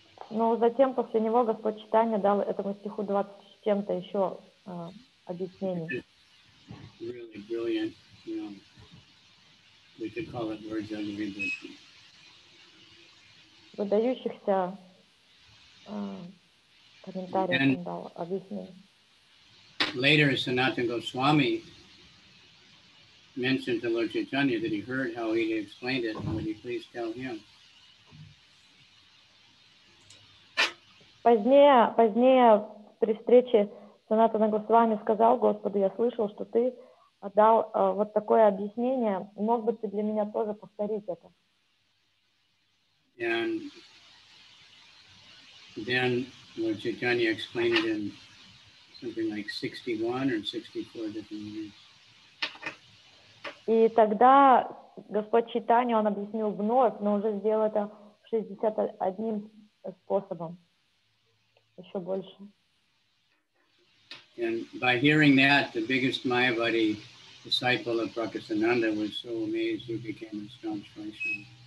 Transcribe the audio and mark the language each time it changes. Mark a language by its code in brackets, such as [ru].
[ru] Но затем, после него, Господь Чайтанья дал этому стиху 20 с чем-то еще объяснений. [en] Really brilliant, you know, we could call it words on the rebirth. [ru] Выдающихся комментариев он дал, объяснил. [en] Later, Sanatana Goswami mentioned to Lord Chaitanya that he heard how he explained it, and would he please tell him? [ru] Позднее при встрече Санатана Госвами сказал Господу, я слышал, что ты дал вот такое объяснение, мог бы ты для меня тоже повторить это? [en] And then Lord Chaitanya explained it in something like 61 or 64 different ways. [ru] И тогда Господь Чайтанья, он объяснил вновь, но уже сделал это 61 способом, еще больше. [en] And by hearing that, the biggest Mayavadi disciple of Prakasananda was so amazed, he became a staunch Vaishnava.